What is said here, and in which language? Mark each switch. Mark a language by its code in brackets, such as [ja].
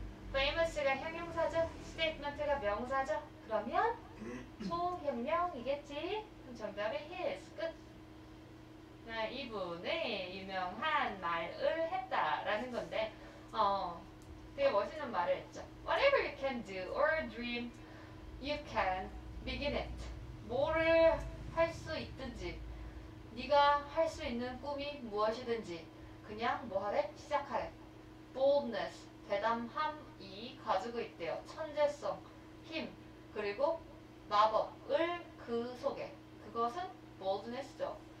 [ko] famous가 형용사죠. statement가 명사죠. 그러면 소형명이겠지. 그럼 정답은 his. 끝. 이분의 유명한 말을 했다라는 건데 되게 멋있는 말을 했죠. [en] whatever you can do or dream you can begin it. [ko] 뭐를 할 수 있든지 네가 할 수 있는 꿈이 무엇이든지 그냥 뭐 하래? 시작하래. boldness 대담함이 가지고 있대요. 천재성 힘 그리고 마법을 그 속에 그것은 boldness죠.